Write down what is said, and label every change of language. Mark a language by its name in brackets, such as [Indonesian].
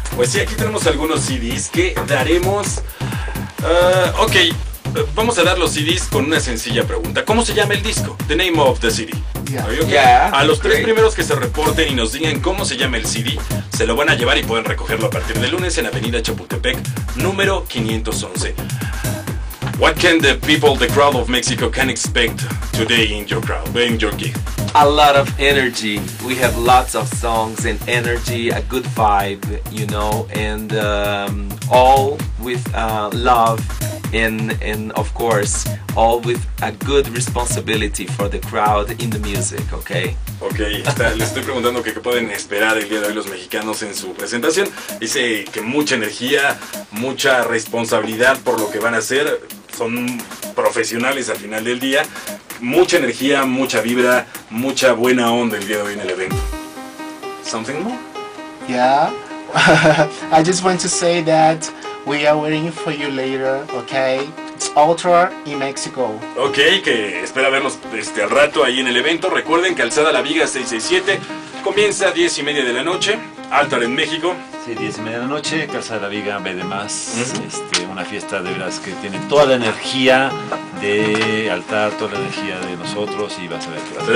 [Spanish] Pues sí, aquí tenemos algunos CDs que daremos. Okay. Vamos a dar los CDs con una sencilla pregunta. ¿Cómo se llama el disco? [English] The name of the CD. Yeah. Okay? Yeah. [Spanish] A los tres primeros que se reporten y nos digan cómo se llama el CD, se lo van a llevar y pueden recogerlo a partir del lunes en Avenida Chapultepec, número 511. [English] What can the people, the crowd of Mexico, can expect today in your crowd, in your gig? A lot of energy. We have lots of songs and energy, a good vibe, you know, and all with love and of course, all with a good responsibility for the crowd in the music, okay? [Spanish] Okay, les estoy preguntando qué pueden esperar el día de hoy los mexicanos en su presentación. Dice que mucha energía, mucha responsabilidad por lo que van a hacer. Son profesionales al final del día. Mucha energía, mucha vibra, mucha buena onda el día de hoy en el evento. [English] Something more? Yeah. I just want to say that we are waiting for you later, okay? It's Ultra in Mexico. [Spanish] Okay, que espera vernos al rato ahí en el evento. Recuerden, Calzada La Viga 667. comienza a 10 y media de la noche, Altar en México. Sí, 10 y media de la noche, Casa de la Viga, ve de más. Una fiesta de veras que tiene toda la energía de Altar, toda la energía de nosotros y vas a ver que va a ser.